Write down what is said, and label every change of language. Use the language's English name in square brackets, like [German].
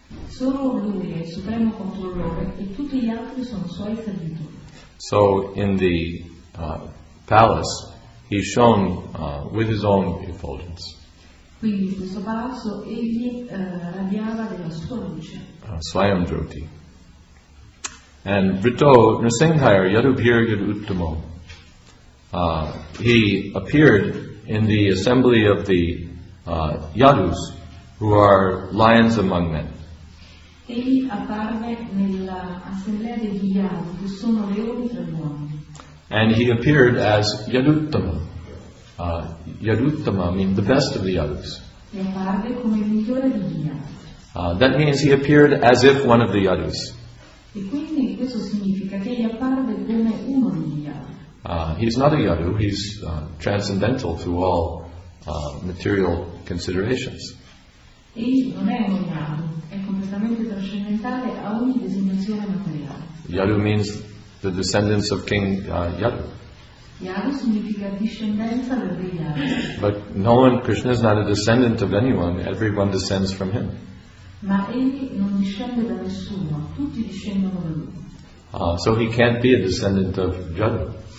[Italian] Solo lui è il supremo controllore e tutti gli altri sono suoi servitori. [English] So in the palace, he's shown with his own effulgence. [Italian] Quindi in questo palazzo egli radiava della sua luce. [Sanskrit] Swayam Jyoti. And Vrito Nrsinghaya Yadubhir Yad Uttamo. [English] He appeared in the assembly of the Yadus, who are lions among men. [Italian] Egli apparve nell'assemblea degli Yadu, che sono leoni tra gli uomini. [English] And he appeared as Yaduttama. Yaduttama means the best of the Yadus. [Italian] E apparve come il migliore degli Yadus. [English] That means he appeared as if one of the Yadus. [Italian] E quindi questo significa che egli apparve come uno degli Yadus. [English] He's not a Yadu, he's transcendental to all material considerations. [Italian] Egli non è un Yadu, è completamente trascendentale a ogni designazione materiale. [English] Yadu means the descendants of King Yadu. [Italian] Yadu significa discendenza del re Yadu. [English] But no one, Krishna is not a descendant of anyone, everyone descends from him. [Italian] Ma egli non discende da nessuno, tutti discendono da lui. [English] So he can't be a descendant of Yadu.